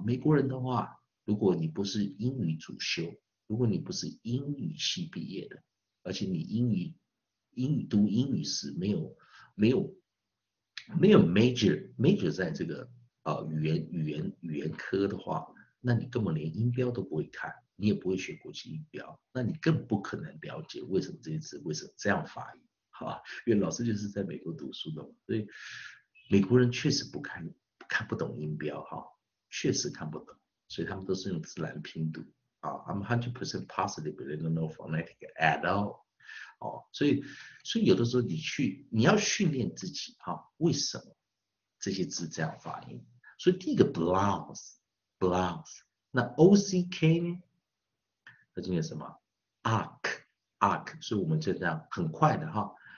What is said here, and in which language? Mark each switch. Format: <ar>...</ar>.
<zh>美国人的话，如果你不是英语主修，如果你不是英语系毕业的，而且你英语读英语时没有 major 在这个、语言科的话，那你根本连音标都不会看，你也不会学国际音标，那你更不可能了解为什么这些词为什么这样发音，好吧？因为老师就是在美国读书的，所以美国人确实看不懂音标哈，确实看不懂，所以他们都是用自然拼读啊。</zh> <en>I'm 100% positive they don't know phonetic at all。</en> <zh>哦、所以有的时候你要训练自己、啊、为什么这些字这样发音。所以第一个 blouse blouse， 那 O C K 呢？它就念什么 ？Arc arc， 所以我们就这样很快的哈。</zh>